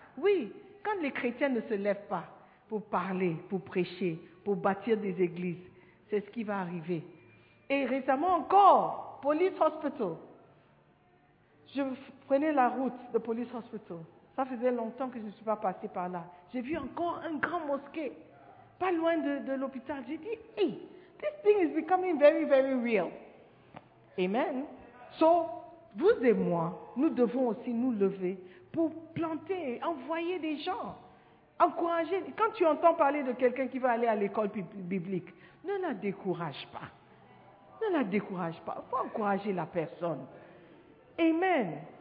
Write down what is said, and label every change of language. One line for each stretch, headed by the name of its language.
French: Oui, quand les chrétiens ne se lèvent pas pour parler, pour prêcher, pour bâtir des églises, c'est ce qui va arriver. Et récemment encore, Police Hospital. Je prenais la route de Police Hospital. Ça faisait longtemps que je ne suis pas passée par là. J'ai vu encore un grand mosquée, pas loin de l'hôpital. J'ai dit,
English: hey, this thing is becoming very, very real. Amen.
French: So, vous et moi, nous devons aussi nous lever pour planter, envoyer des gens, encourager. Quand tu entends parler de quelqu'un qui va aller à l'école biblique, ne la décourage pas. Ne la décourage pas. Il faut encourager la personne. Amen.